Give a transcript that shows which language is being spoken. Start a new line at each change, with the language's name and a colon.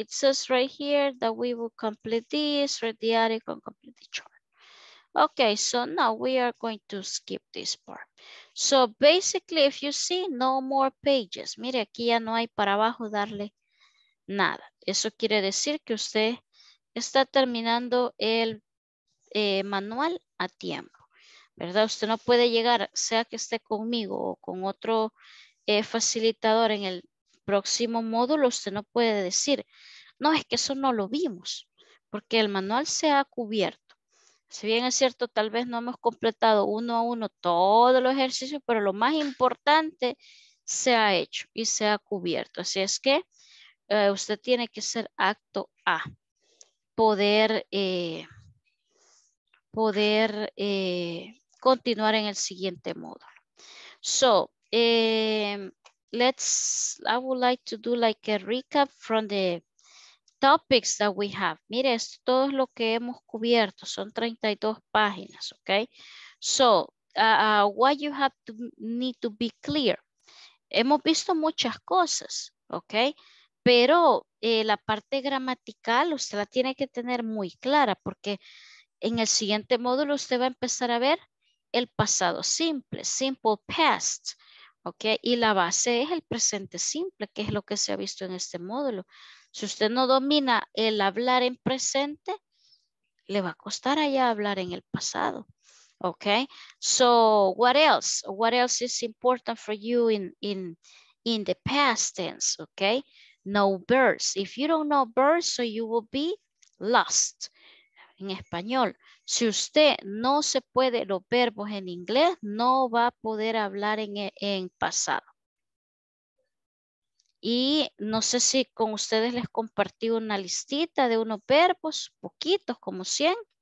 English: It says right here that we will complete this, read the article, complete the chart. Okay. So now we are going to skip this part. So basically, if you see, no more pages.
Spanish: Mire, aquí ya no hay para abajo darle nada. Eso quiere decir que usted está terminando el manual a tiempo. ¿Verdad? Usted no puede llegar, sea que esté conmigo o con otro facilitador en el próximo módulo, usted no puede decir, no, es que eso no lo vimos, porque el manual se ha cubierto. Si bien es cierto, tal vez no hemos completado uno a uno todos los ejercicios, pero lo más importante se ha hecho y se ha cubierto. Así es que usted tiene que ser acto A, continuar en el siguiente módulo.
English: So, I would like to do like a recap from the topics that we have.
Spanish: Mire, esto todo es lo que hemos cubierto, son 32 páginas, ok.
English: So, what you have to need to be clear.
Spanish: Hemos visto muchas cosas, ok, pero la parte gramatical usted la tiene que tener muy clara, porque en el siguiente módulo usted va a empezar a ver el pasado simple, simple past, ¿Ok? Y la base es el presente simple, que es lo que se ha visto en este módulo. Si usted no domina el hablar en presente, le va a costar allá hablar en el pasado.
English: ¿Ok? So, what else? What else is important for you in the past tense? ¿Ok? Know verbs. If you don't know verbs, so you will be lost.
Spanish: En español, si usted no se puede los verbos en inglés, no va a poder hablar en pasado. Y no sé si con ustedes les compartí una listita de unos verbos, poquitos, como 100.